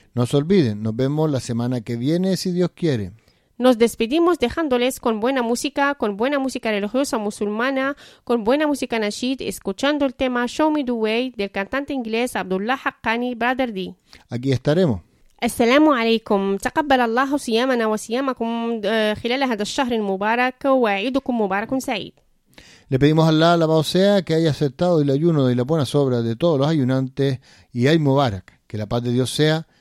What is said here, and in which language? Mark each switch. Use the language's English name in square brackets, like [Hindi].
[Spanish] No se olviden, nos vemos la semana que viene si Dios quiere. Nos despedimos dejándoles con buena música religiosa musulmana, con buena música nasheed, escuchando el tema Show Me the Way del cantante inglés Abdullah Haqqani, Brother D. Aquí estaremos. [Arabic] Assalamu alaikum. تقبل الله صيامنا وصيامكم خلال هذا الشهر المبارك وعيدكم مبارك سعيد. [Spanish] Le pedimos a Allah, alabado sea, que haya aceptado el ayuno y las buenas obras de todos los ayunantes, y al Mubarak, que la paz de Dios sea